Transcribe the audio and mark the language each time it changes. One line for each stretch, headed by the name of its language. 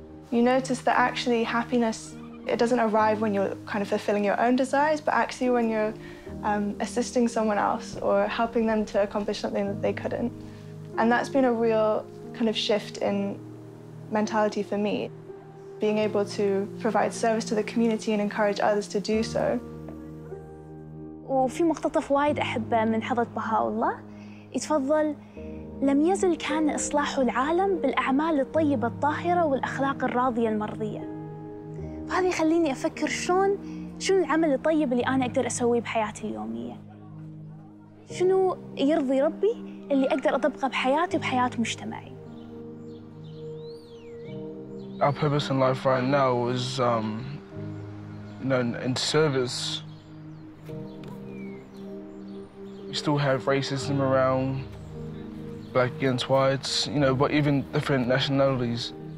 English: You notice that actually happiness, it doesn't arrive when you're kind of fulfilling your own desires, but actually when you're assisting someone else or helping them to accomplish something that they couldn't. And that's been a real kind of shift in mentality for me, being able to provide service to the community and encourage others to do so.
Arabic: وفي مقتطف وايد أحبه من حضرة بهاءالله يتفضل لم يزل كان إصلاح العالم بالأعمال الطيبة الطاهرة والأخلاق الراضية المرضية. فهذا يخليني أفكر شنو العمل الطيب اللي أنا أقدر أسويه بحياتي اليومية. شنو يرضي ربي اللي أقدر أطبقه بحياتي وبحياة مجتمعي.
English: Our purpose in life right now is in service. We still have racism around, black against whites, you know, but even different nationalities.